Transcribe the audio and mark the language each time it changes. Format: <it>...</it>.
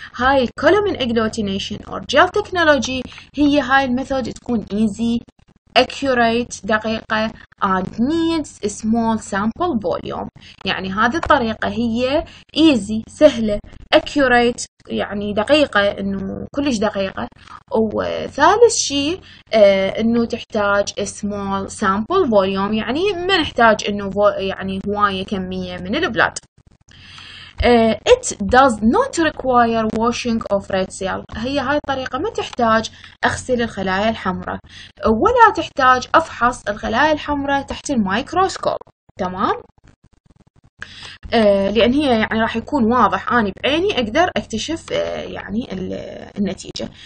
<ar>هاي الكولومن اجلوتينيشن اور جيل تكنولوجي هي هاي الميثود تكون ايزي accurate دقيقة</ar> <en>and needs small sample volume،</en> <ar>يعني هذه الطريقة هي easy سهلة accurate يعني دقيقة انه كلش دقيقة، وثالث شيء انه تحتاج small sample volume يعني ما نحتاج انه يعني هواية كمية من البلاد.</ar> <en>It does not require washing of red cell.</en> <ar>هي هاي الطريقة ما تحتاج أغسل الخلايا الحمراء ولا تحتاج أفحص الخلايا الحمراء تحت الميكروسكوب، تمام؟ لأن هي يعني راح يكون واضح أنا بعيني أقدر أكتشف يعني النتيجة.</ar>